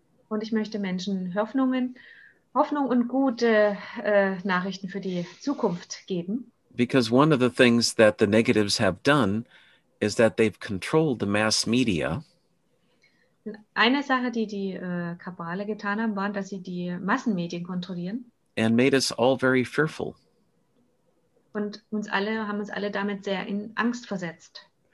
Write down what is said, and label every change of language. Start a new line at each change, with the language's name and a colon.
German: Und ich möchte Menschen Hoffnung und gute Nachrichten für die Zukunft geben.
English: Because one of the things that the negatives have done is that they've controlled the mass media.
German: Eine Sache, die die Kabale getan haben, war, dass sie die Massenmedien kontrollieren.
English: And made us all very fearful.
German: Und haben uns alle damit sehr in Angst versetzt.